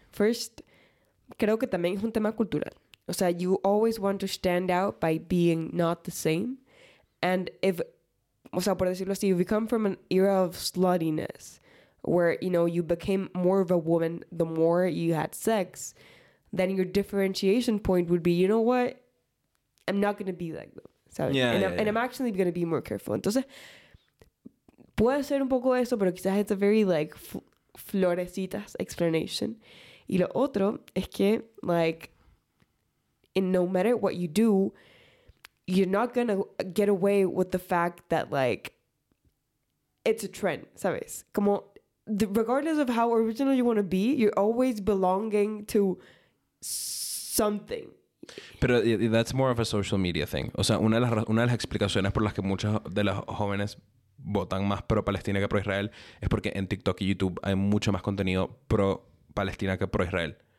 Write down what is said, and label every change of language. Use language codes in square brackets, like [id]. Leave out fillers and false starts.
[en] First, [es] creo que también es un tema cultural. O sea, [en] you always want to stand out by being not the same. And if, [es] o sea, por decirlo así, [en] if you come from an era of sluttiness, where, you know, you became more of a woman the more you had sex, then your differentiation point would be, you know what? I'm not going to be like them. And I'm actually going to be more careful. [es] Entonces, puede ser un poco eso, pero quizás [en] it's a very, like, [es] florecitas explanation. Y lo otro es que, like, [en] And no matter what you do, you're not gonna get away with the fact that, like, it's a trend, [es] ¿sabes? Como, [en] regardless of how original you want to be, you're always belonging to something. [es] Pero [en] that's more of a social media thing. [es] O sea, una de las explicaciones por las que muchos de los jóvenes votan más pro-Palestina que pro-Israel es porque en TikTok y YouTube hay mucho más contenido pro-Palestina que pro-Israel.